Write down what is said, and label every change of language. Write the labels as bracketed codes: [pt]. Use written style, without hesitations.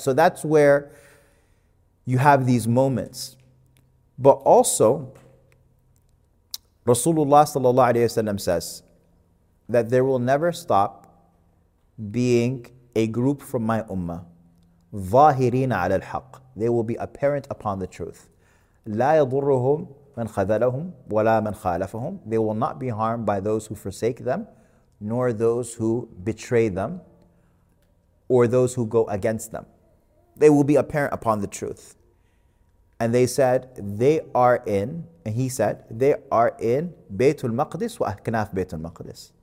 [en] So that's where you have these moments. But also, Rasulullah sallallahu alayhi wa sallam says that there will never stop being a group from my ummah. [ar] ظاهرين على الحق. [en] They will be apparent upon the truth. [ar] لا يضرهم من خذلهم ولا من خالفهم. [en] They will not be harmed by those who forsake them, nor those who betray them, or those who go against them. They will be apparent upon the truth. And they said, they are in, and he said, they are in Baytul Maqdis wa Ahkanaf Baytul Maqdis.